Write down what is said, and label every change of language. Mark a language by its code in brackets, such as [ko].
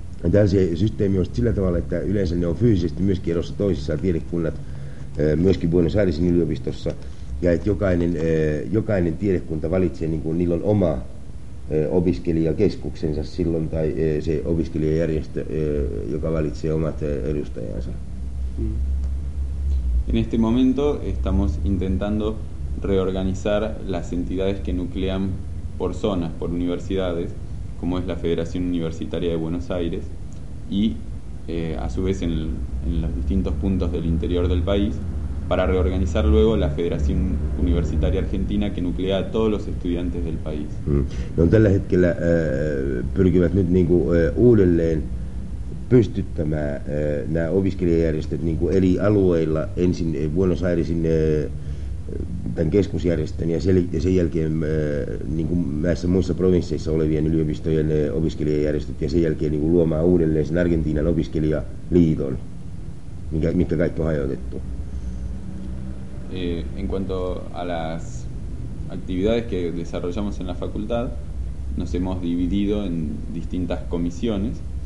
[fi] Tämä se systeemi on sillä tavalla, että yleensä ne on fyysisesti myöskin erossa toisissaan tiedekunnat, myöskin Buenos Airesin yliopistossa, ja että jokainen tiedekunta valitsee niillä on oma opiskelijakeskuksensa silloin, tai se opiskelijajärjestö, joka valitsee omat edustajansa. [es] En este momento estamos intentando reorganizar las entidades que nuclean por zonas, por universidades, como es la Federación Universitaria de Buenos Aires, y a su vez en los distintos puntos del interior del país, para reorganizar luego la Federación Universitaria Argentina, que nuclea a todos los estudiantes del país. [fi] No tällä hetkellä pyrkivät nyt uudelleen pystyttämään nämä opiskelijajärjestöt eri alueilla, ensin Buenos Airesin tämän keskusjärjestön ja sen jälkeen näissä muissa provinsseissa olevien yliopistojen opiskelijajärjestöt ja sen jälkeen luomaan uudelleen sen Argentiinan opiskelijaliiton, mitkä kaikki on hajotettu. [es] En cuanto a las actividades que desarrollamos en la facultad, nos hemos dividido en distintas comisiones.